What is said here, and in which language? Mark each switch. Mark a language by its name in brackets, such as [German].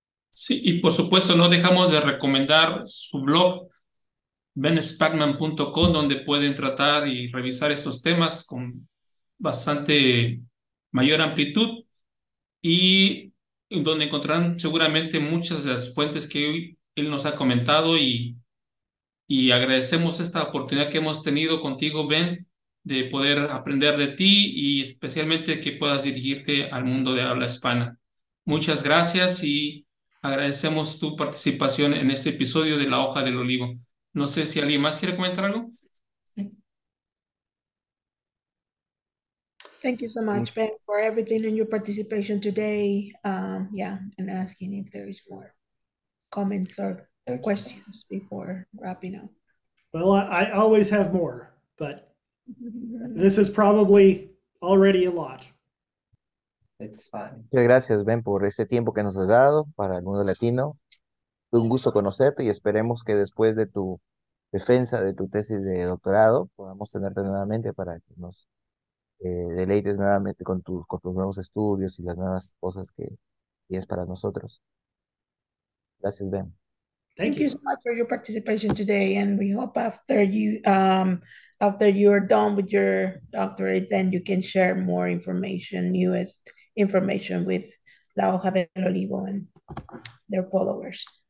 [Spanish] Sí, y por supuesto no dejamos de recomendar su blog benspackman.com, donde pueden tratar y revisar estos temas con bastante mayor amplitud, y donde encontrarán seguramente muchas de las fuentes que él nos ha comentado, y agradecemos esta oportunidad que hemos tenido contigo, Ben, de poder aprender de ti y especialmente que puedas dirigirte al mundo de habla hispana. Muchas gracias y agradecemos tu participación en este episodio de La Hoja del Olivo. No sé si alguien más quiere comentar algo. [English] Thank you so much, Ben, for everything and your participation today. And asking if there is more comments or questions before wrapping up. Well, I always have more, but this is probably already a lot. It's fine. [Spanish] Muchas gracias, Ben, por este tiempo que nos has dado para el mundo latino. Un gusto conocerte y esperemos que después de tu defensa de tu tesis de doctorado podamos tenerte nuevamente para que nos deleites nuevamente con tus nuevos estudios y las nuevas cosas que tienes para nosotros. Gracias, Ben. [English] Thank you so much for your participation today, and we hope after you're done with your doctorate, then you can share more information, newest information with La Hoja del Olivo and their followers.